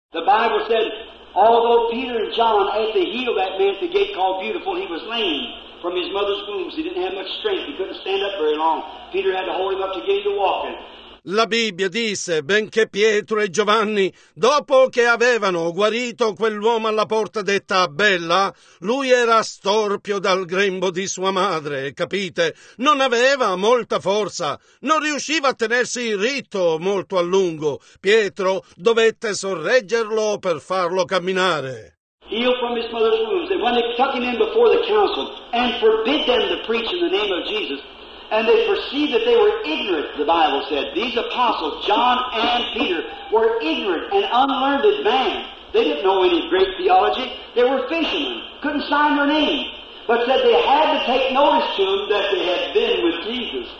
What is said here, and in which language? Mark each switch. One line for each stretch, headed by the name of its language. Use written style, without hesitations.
English: The Bible said, although Peter and John had to heal that man at the gate called Beautiful, he was lame from his mother's wounds. He didn't have much strength. He couldn't stand up very long. Peter had to hold him up to get him to walk in.
Italian: La Bibbia disse, benché Pietro e Giovanni, dopo che avevano guarito quell'uomo alla porta detta Bella, lui era storpio dal grembo di sua madre, capite? Non aveva molta forza, non riusciva a tenersi il ritto molto a lungo. Pietro dovette sorreggerlo per farlo camminare.
English: Heal from his mother's wounds, and when they took him in before the council and forbid them to preach in the name of Jesus, and they perceived that they were ignorant, the Bible said. These apostles, John and Peter, were ignorant and unlearned men. They didn't know any great theology. They were fishermen, couldn't sign their name, but said they had to take notice to them that they had been with Jesus.